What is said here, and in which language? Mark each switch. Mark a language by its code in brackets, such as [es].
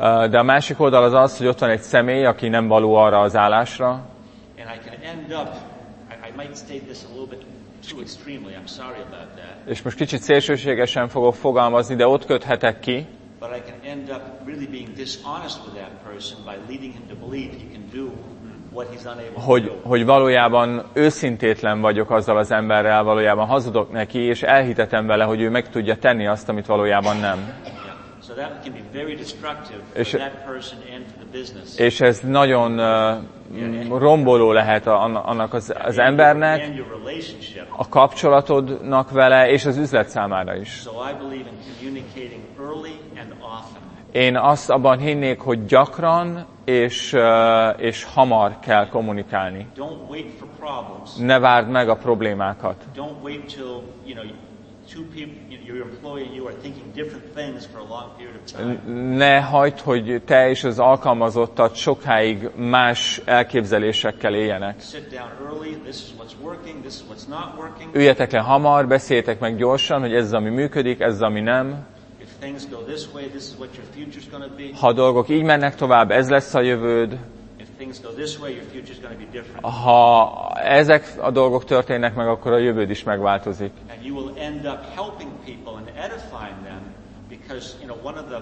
[hu] De a másik oldal az az, hogy ott van egy személy, aki nem való arra az állásra. [en] And I can end up, I might state this a little bit too extremely, I'm sorry about that. [hu] És most kicsit szélsőségesen fogok fogalmazni, de ott köthetek ki. [en] But I can end up really being dishonest with that person by leading him to believe he can do what he's unable to do. [hu] Hogy valójában őszintétlen vagyok azzal az emberrel, valójában hazudok neki, és elhitetem vele, hogy ő meg tudja tenni azt, amit valójában nem. [en] So that can be very destructive for that person and for the business. [hu] És ez nagyon romboló lehet annak az embernek, a kapcsolatodnak vele, és az üzlet számára is. [en] So I believe in communicating early and often. [hu] Én azt abban hinnék, hogy gyakran és hamar kell kommunikálni. [en] Don't wait for problems. [hu] Ne várd meg a problémákat. [en] Don't wait till, you know, two people, your employee and you are thinking different things for a long period of time. [hu] Ne hagyd, hogy te és az alkalmazottad sokáig más elképzelésekkel éljenek. [en] Sit down early, this is what's working, this is what's not working. [hu] Üljetek le hamar, beszéljetek meg gyorsan, hogy ez az, ami működik, ez az, ami nem. [en] If things go this way, this is what your future's going to be. [hu] Ha dolgok így mennek tovább, ez lesz a jövőd. [en] If things go this way, your future's going to be different. [hu] Ha ezek a dolgok történnek meg, akkor a jövőd is megváltozik. [en] And you will end up helping people and edifying them because, you know, one of the...